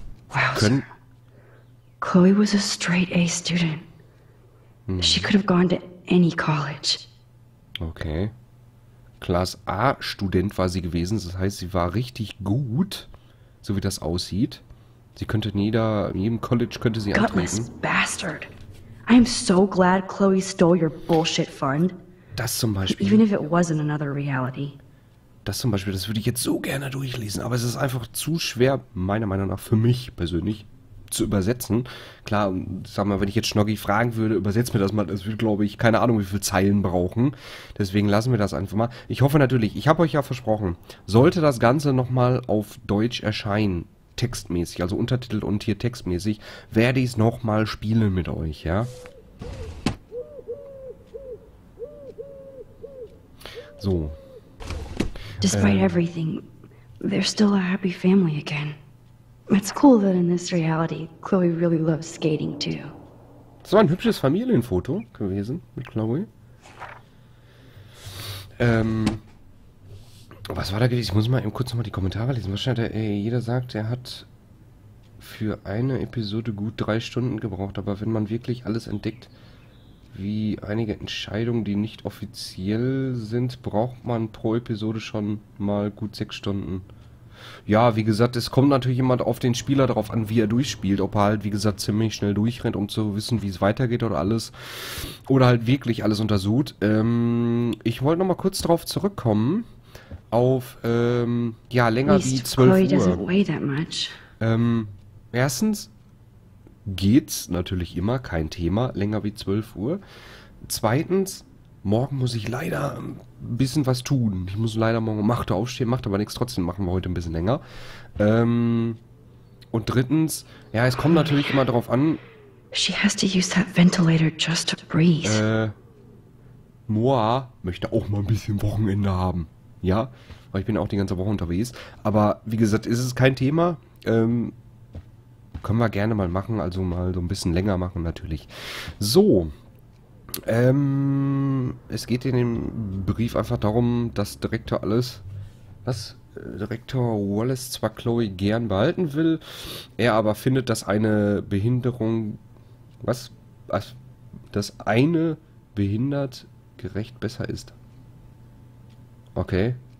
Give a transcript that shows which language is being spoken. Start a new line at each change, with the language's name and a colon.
English: Wow, Sir. Chloe was a straight A student. Hm. She could have gone to any college. Okay.
German: Class A Student war sie gewesen, das heißt, sie war richtig gut, so wie das aussieht. Sie könnte in jedem College könnte sie antreten.
English: Gutless bastard. I am so glad Chloe stole your bullshit fund.
German: Das zum Beispiel.
English: Even if it wasn't another reality.
German: Das zum Beispiel, das würde ich jetzt so gerne durchlesen, aber es ist einfach zu schwer, meiner Meinung nach, für mich persönlich, zu übersetzen. Klar, sag mal, wenn ich jetzt Schnoggi fragen würde, übersetzt mir das mal, das würde, glaube ich, keine Ahnung, wie viele Zeilen brauchen. Deswegen lassen wir das einfach mal. Ich hoffe natürlich, ich habe euch ja versprochen, sollte das Ganze nochmal auf Deutsch erscheinen, textmäßig, also Untertitel und hier textmäßig, werde ich es nochmal spielen mit euch, ja? So.
English: Despite everything, they're still a happy family again. It's cool that in this reality, Chloe really loves skating too.
German: Das war ein hübsches Familienfoto gewesen mit Chloe. Was war da gewesen? Ich muss mal eben kurz nochmal die Kommentare lesen. Wahrscheinlich, jeder sagt, er hat für eine Episode gut 3 Stunden gebraucht, aber wenn man wirklich alles entdeckt, wie einige Entscheidungen, die nicht offiziell sind, braucht man pro Episode schon mal gut 6 Stunden. Ja, wie gesagt, es kommt natürlich jemand auf den Spieler darauf an, wie er durchspielt, ob er halt, wie gesagt, ziemlich schnell durchrennt, um zu wissen, wie es weitergeht oder alles, oder halt wirklich alles untersucht. Ich wollte nochmal kurz darauf zurückkommen, auf, ja, länger wie 12 Uhr. Erstens geht's natürlich immer, kein Thema, länger wie 12 Uhr. zweitens, morgen muss ich leider ein bisschen was tun. Ich muss leider morgen um 8 Uhr aufstehen, macht aber nichts. Trotzdem machen wir heute ein bisschen länger. Und drittens, ja, es kommt natürlich immer darauf an.
English: She has to use that ventilator just to breathe.
German: Moa möchte auch mal ein bisschen Wochenende haben. Ja, weil ich bin auch die ganze Woche unterwegs. Aber wie gesagt, ist es kein Thema. Können wir gerne mal machen, also mal so ein bisschen länger machen natürlich. So, es geht in dem Brief einfach darum, dass Direktor alles, dass Direktor Wallace zwar Chloe gern behalten will, er aber findet, dass eine Behinderung, dass eine behindert gerecht besser ist. Okay.